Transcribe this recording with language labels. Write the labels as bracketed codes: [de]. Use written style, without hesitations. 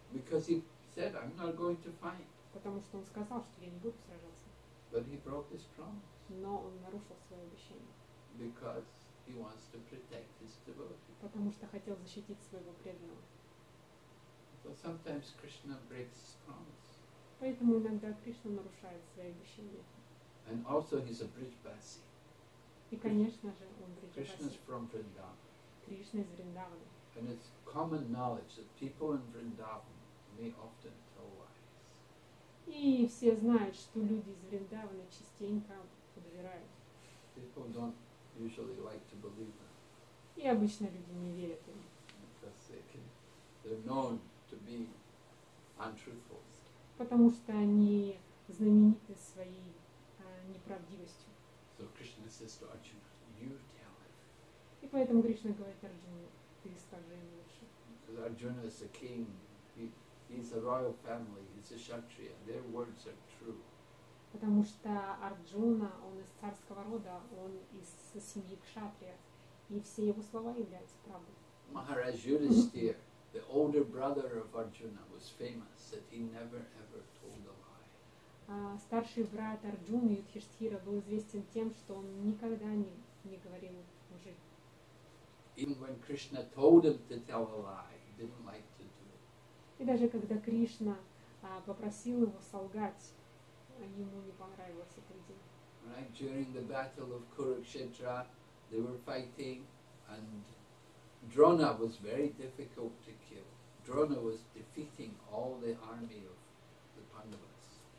[en] Because he said, I'm not going to fight. [ru] Потому что он сказал, что я не буду сражаться. [en] But he broke his promise. [ru] Но он нарушил свое обещание. [en] Because he wants to protect his devotee. [ru] Потому что хотел защитить своего преданного. [en] So sometimes Krishna breaks his promise. [ru] Поэтому иногда Кришна нарушает свои обещания. [en] And also he's a Brijbasi. [ru] И, конечно же, он Брижбаси. [en] Krishna is from Vrindavan. [ru] Кришна из Вриндавана. [en] And it's common knowledge that people in Vrindavan may often tell lies. [ru] И все знают, что люди из Вриндавана частенько подбирают. [en] People don't usually like to believe them. [ru] И обычно люди не верят им. [en] Because they're known to be untruthful. [ru] Потому что они знамениты своей неправдивостью. [en] So Krishna says to Arjuna, you tell it. [ru] И поэтому Кришна говорит Арджуне, ты скажи ему лучше. [en] Because Arjuna is a king. He's a royal family, he's a kshatriya, their words are true. [ru] Потому что Арджуна, он из царского рода, он из семьи кшатрия, и все его слова являются правдой. [en] Maharaj Yudhisthira, the older brother of Arjuna, was famous that he never ever told a lie. [ru] Старший брат Арджуны, Юдхиштхира, был известен тем, что он никогда не говорил лжи. [en] Even when Krishna told him to tell a lie, he didn't like to. [ru] И даже когда Кришна попросил его солгать, ему не понравилось это дело. [en] Right during the battle of Kurukshetra, they were fighting, and Drona was very difficult to kill. Drona was defeating all the army of the Pandavas.